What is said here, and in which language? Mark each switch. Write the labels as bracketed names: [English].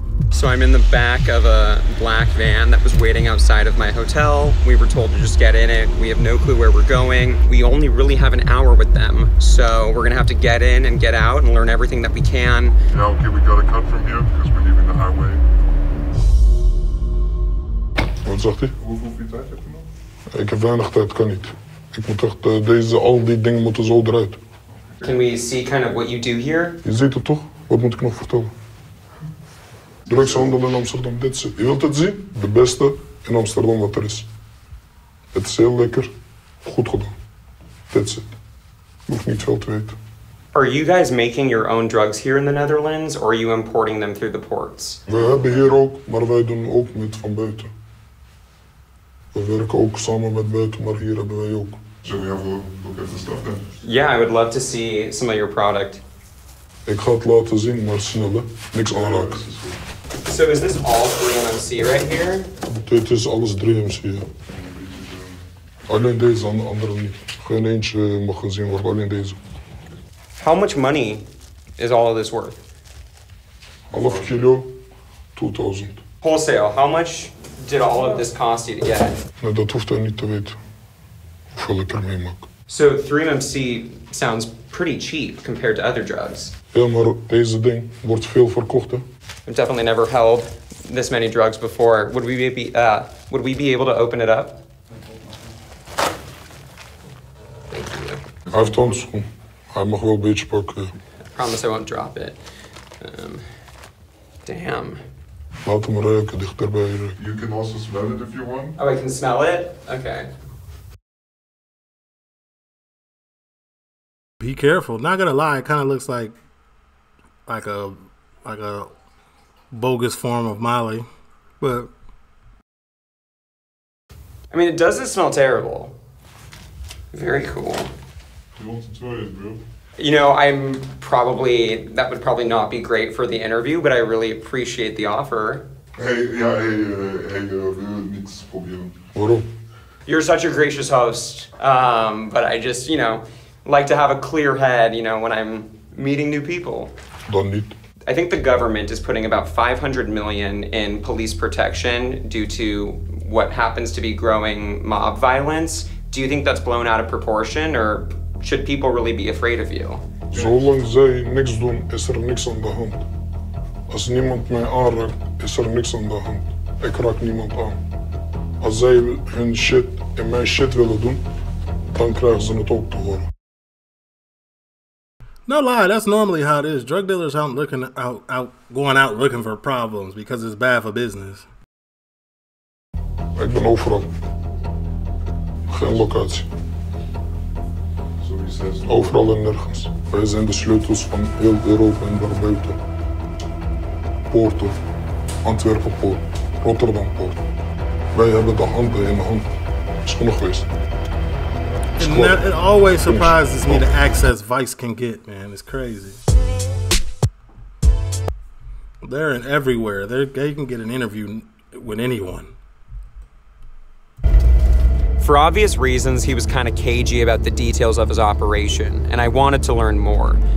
[English] So I'm in the back of a black van that was waiting outside of my hotel. We were told to just get in it. We have no clue where we're going. We only really have an hour with them. So we're gonna have to get in and get out and learn everything that we can. Yeah, okay, we gotta cut from here because we're leaving the highway. [Dutch] Wat zegt hij? Hoeveel tijd heb je nog? Ik heb weinig tijd, kan niet. Ik moet echt, al die dingen moeten zo eruit. [English] Can we see kind of what you do here? [Dutch] Je ziet het toch? Wat moet ik nog vertellen? Drugshandel in Amsterdam, dit is het. Je wilt het zien? De beste in Amsterdam wat er is. Het is heel lekker. Goed gedaan. Dit is het. Je hoeft niet veel te weten. [English] Are you guys making your own drugs here in the Netherlands, or are you importing them through the ports? [Dutch] We hebben hier ook, maar wij doen ook met van buiten. We werken ook samen met buiten, maar hier hebben wij ook. Zullen we even [English] look at the stuff then? Yeah, I would love to see some of your product. [Dutch] Ik ga het laten zien, maar snel, hè. Niks aanraken. So is this all 3MMC right here? Dit is alles 3MMC, ja. Alleen deze, andere niet. Geen eentje mag gezien worden, alleen deze. [English] How much money is all of this worth? Half kilo, 2,000. Wholesale, how much did all of this cost you to get? No, that was not to wait for the termimak. So 3MMC sounds pretty cheap compared to other drugs. Yeah, but this thing [Dutch] wordt veel verkocht. [English] I've definitely never held this many drugs before. Would we be able to open it up? I have tons. [Dutch] I mag wel een beetje pakken. [English] I promise I won't drop it. Damn. [Dutch] Laat hem ruiken, dichterbij ruiken. [English] You can also smell it if you want. Oh, I can smell it? Okay. Be careful. Not gonna lie, it kind of looks like a bogus form of Molly, but I mean, it doesn't smell terrible. Very cool. You want to try it, bro? You know, that would probably not be great for the interview, but I really appreciate the offer. Hey, you're such a gracious host, but I just, you know, like to have a clear head, you know, when I'm meeting new people. Don't need. I think the government is putting about 500 million in police protection due to what happens to be growing mob violence. Do you think that's blown out of proportion, or should people really be afraid of you? [Dutch] Zolang zij niks doen, is er niks aan de hand. Als niemand mij aanraakt, is er niks aan de hand. Ik raak niemand aan. Als zij hun shit en mijn shit willen doen, dan krijgen ze het ook te horen. [English] No lie, that's normally how it is. Drug dealers aren't looking out going out looking for problems because it's bad for business. [Dutch] Ik ben overal. Geen locatie. Overal en nergens. Wij zijn de sleutels van heel Europa en daarbuiten. Poorto, Antwerpenpoort, Rotterdampoort. Wij hebben de handen in de hand. Is genoeg geweest. [English] It always surprises me the access Vice can get, man. It's crazy. They're in everywhere. They can get an interview with anyone. For obvious reasons, he was kind of cagey about the details of his operation, and I wanted to learn more.